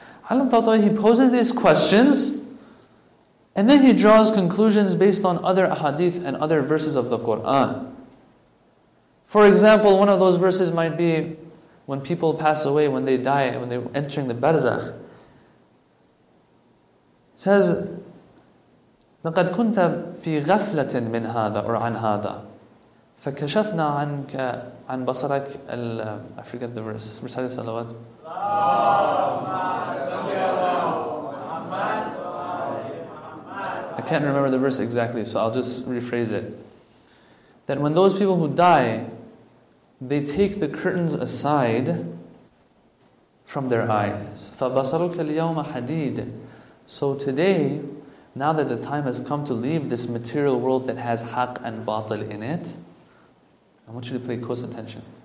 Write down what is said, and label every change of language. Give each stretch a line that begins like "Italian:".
English: Alam Tawtawai, he poses these questions and then he draws conclusions based on other ahadith and other verses of the Qur'an. For example, one of those verses might be when people pass away, when they die, when they're entering the barzakh. It says,
Arabic: لَقَدْ كُنْتَ فِي غَفْلَةٍ مِنْ هَذَا or عَنْ هَذَا فَكَشَفْنَا عَنْكَ عَنْ بَصَرَكَ الـ
English: I forget the verse. Recite salawat.
Arabic: اللهم صل على محمد وعلى آله.
English: can't remember the verse exactly, so I'll just rephrase it. That when those people who die, they take the curtains aside from their eyes.
Arabic: فَبَصَرُكَ الْيَوْمَ حَدِيدٍ.
English: So today, now that the time has come to leave this material world that has haq and batil in it, I want you to pay close attention.